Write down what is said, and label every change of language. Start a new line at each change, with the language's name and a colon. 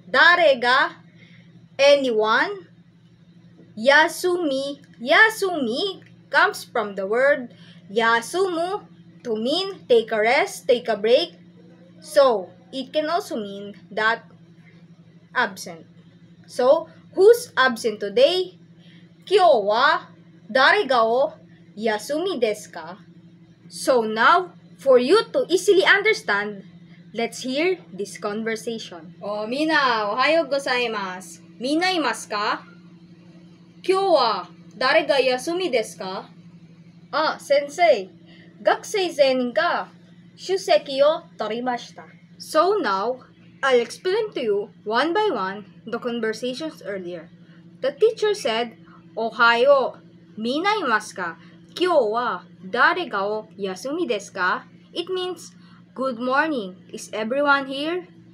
English: 誰が anyone? 休み comes from the word 休む to mean take a rest, take a break. So, it can also mean that absent. So,Who's absent today?
Japanese: 今日は誰がお休みですか?
English: So now, for you to easily understand, let's hear this conversation.
Japanese: Oh, みんな、おはようございます。みんないますか? 今日は誰が休みですか? あ、先生、学生全員が出席を取りました。
English: So now,I'll explain to you, one by one, the conversations earlier. The teacher said,
Japanese: Ohayo, minna imasu ka? Kyō wa dare ga o yasumi desu ka?
English: It means, good morning, is everyone here?